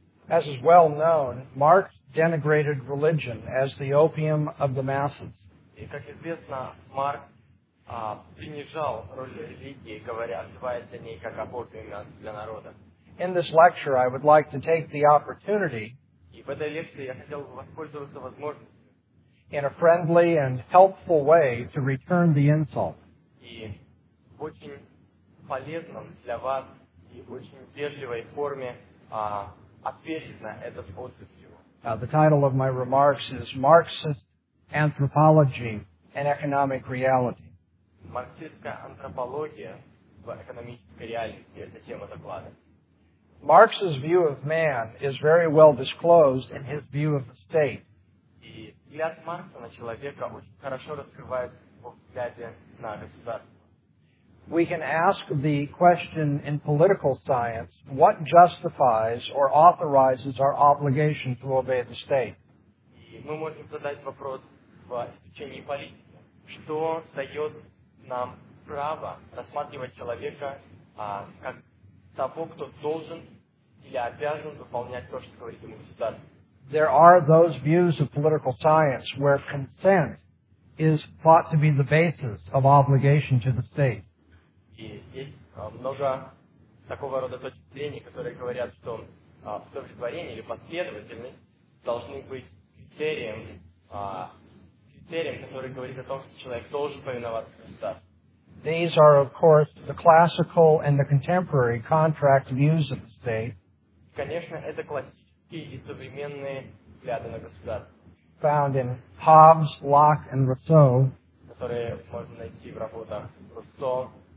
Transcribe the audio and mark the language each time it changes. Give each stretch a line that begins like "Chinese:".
English: As is well known, Marx denigrated religion as the opium of the masses.
Russian: И как известно, Маркс принижал роль религии, говоря, отзываясь о ней как об опиуме для народа.
English: In this lecture, I would like to take the opportunity.
Russian: И в этой лекции я хотел бы воспользоваться возможностью.
English: In a friendly and helpful way to return the insult.
Russian: И в очень полезном для вас и очень вежливой форме ответить на этот отзыв его.
English: The title of my remarks is Marxist Anthropology and Economic Reality.
Russian: Марксистская антропология в экономической реальности – это тема доклада.
English: Marx's view of man is very well disclosed in his view of the state.
Russian: И взгляд Маркса на человека очень хорошо раскрывается в его взгляде на государство.
English: We can ask the question in political science, what justifies or authorizes our obligation to obey the state?
Russian: Мы можем задать вопрос в изучении политики. Что дает нам право рассматривать человека как того, кто должен или обязан выполнять то, что говорит ему государство?
English: There are those views of political science where consent is thought to be the basis of obligation to the state.
Russian: И есть много такого рода точек зрения, которые говорят, что удовлетворение или последовательность должны быть критерием, который говорит о том, что человек должен повиноваться государству.
English: These are, of course, the classical and the contemporary contract views of the state.
Russian: Конечно, это классические и современные взгляды на государство.
English: Found in Hobbes, Locke, and Rousseau.
Russian: Которые можно найти в работах Руссо.